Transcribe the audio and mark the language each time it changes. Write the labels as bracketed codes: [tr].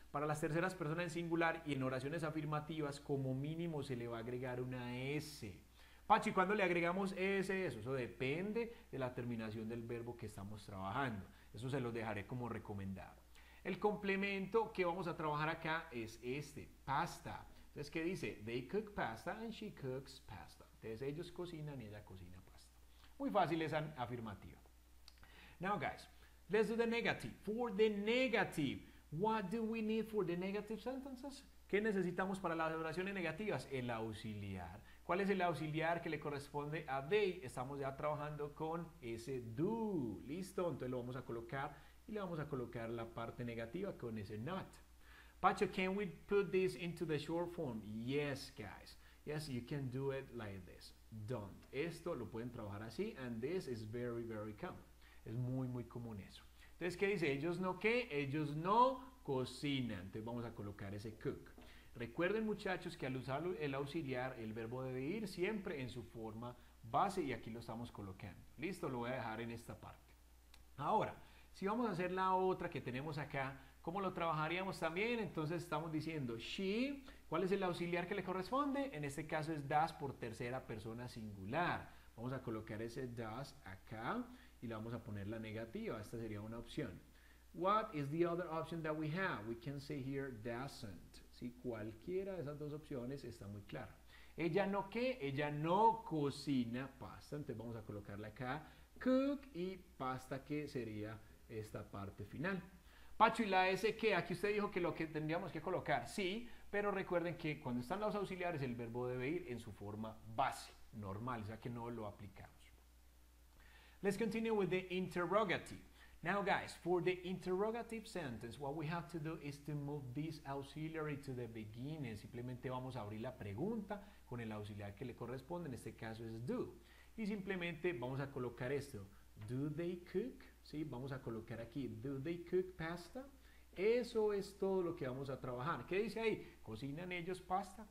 [es] Para las terceras personas en singular y en oraciones afirmativas, como mínimo se le va a agregar una S. Pachi, ¿cuándo le agregamos S? Eso depende de la terminación del verbo que estamos trabajando. Eso se lo dejaré como recomendado. El complemento que vamos a trabajar acá es este, pasta. Entonces, ¿qué dice? [en] They cook pasta and she cooks pasta. [es] Entonces, ellos cocinan y ella cocina pasta. Muy fácil esa afirmativa. [en] Now, guys, let's do the negative. For the negative, what do we need for the negative sentences? [es] ¿Qué necesitamos para las oraciones negativas? El auxiliar. ¿Cuál es el auxiliar que le corresponde a they? Estamos ya trabajando con ese do. ¿Listo? Entonces lo vamos a colocar y le vamos a colocar la parte negativa con ese not. [en] Pacho, can we put this into the short form? Yes, guys. Yes, you can do it like this. Don't. [es] Esto lo pueden trabajar así. [en] And this is very, very common. [es] Es muy, muy común eso. Entonces, ¿qué dice? Ellos no, ¿qué? Ellos no cocinan. Entonces vamos a colocar ese cook. Recuerden, muchachos, que al usar el auxiliar, el verbo debe ir siempre en su forma base y aquí lo estamos colocando. Listo, lo voy a dejar en esta parte. Ahora, si vamos a hacer la otra que tenemos acá, ¿cómo lo trabajaríamos también? Entonces estamos diciendo she, ¿cuál es el auxiliar que le corresponde? En este caso es does por tercera persona singular. Vamos a colocar ese does acá y le vamos a poner la negativa. Esta sería una opción. [en] What is the other option that we have? We can say here doesn't. [es] Sí, cualquiera de esas dos opciones está muy clara. ¿Ella no qué? Ella no cocina pasta. Entonces vamos a colocarle acá cook y pasta, que sería esta parte final. Pacho, ¿y la S qué? Aquí usted dijo que lo que tendríamos que colocar, sí, pero recuerden que cuando están los auxiliares el verbo debe ir en su forma base, normal, o sea que no lo aplicamos. [en] Let's continue with the interrogative. Now, guys, for the interrogative sentence, what we have to do is to move this auxiliary to the beginning. [es] Simplemente vamos a abrir la pregunta con el auxiliar que le corresponde. En este caso es do. Y simplemente vamos a colocar esto. [en] Do they cook? [es] Sí, vamos a colocar aquí. [en] Do they cook pasta? [es] Eso es todo lo que vamos a trabajar. ¿Qué dice ahí? ¿Cocinan ellos pasta?